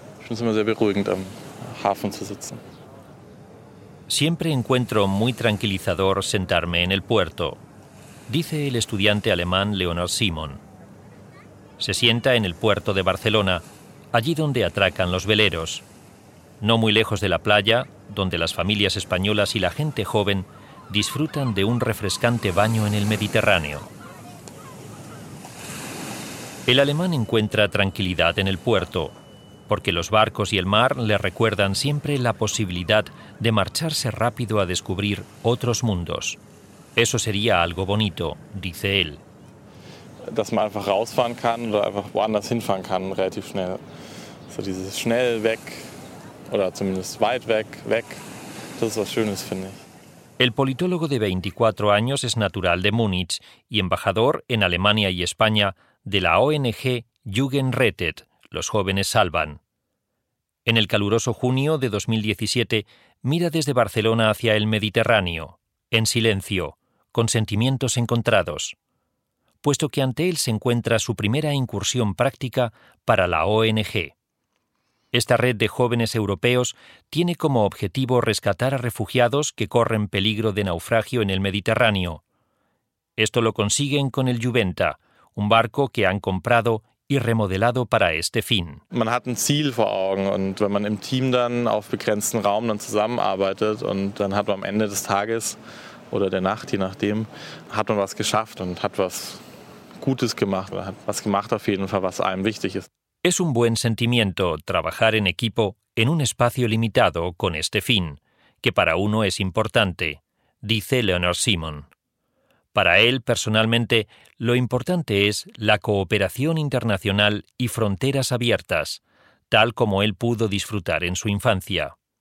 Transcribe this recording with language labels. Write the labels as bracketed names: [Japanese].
[German] Es immer sehr beruhigend, am Hafen zu sitzen. [Spanish] Siempre encuentro muy tranquilizador sentarme en el puerto, dice el estudiante alemán Leonor Simon. Se sienta en el puerto de Barcelona, allí donde atracan los veleros. No muy lejos de la playa, donde las familias españolas y la gente joven disfrutan de un refrescante baño en el Mediterráneo. El alemán encuentra tranquilidad en el puerto, porque los barcos y el mar le recuerdan siempre la posibilidad de marcharse rápido a descubrir otros mundos. Eso sería algo bonito, dice él. [German] Dass man einfach rausfahren kann oder einfach woanders hinfahren kann relativ schnell. So dieses schnell weg oder zumindest weit weg, weg. Das ist was Schönes, finde ich. [Spanish] El politólogo de 24 años es natural de Múnich y embajador en Alemania y España de la ONG Jugendrettet, los jóvenes salvan. En el caluroso junio de 2017, mira desde Barcelona hacia el Mediterráneo, en silencio, con sentimientos encontrados, puesto que ante él se encuentra su primera incursión práctica para la ONG. Esta red de jóvenes europeos tiene como objetivo rescatar a refugiados que corren peligro de naufragio en el Mediterráneo. Esto lo consiguen con el Juventa, un barco que han comprado y remodelado para este fin. [German] Man hat ein Ziel vor Augen und wenn man im Team dann auf begrenzten Raum dann zusammenarbeitet und dann hat man am Ende des Tages oder der Nacht, je nachdem, hat man was geschafft und hat was Gutes gemacht oder hat was gemacht auf jeden Fall, was einem wichtig ist. [Spanish] Es un buen sentimiento trabajar en equipo en un espacio limitado con este fin, que para uno es importante, dice Leonor Simon. Para él, personalmente, lo importante es la cooperación internacional y fronteras abiertas, tal como él pudo disfrutar en su infancia.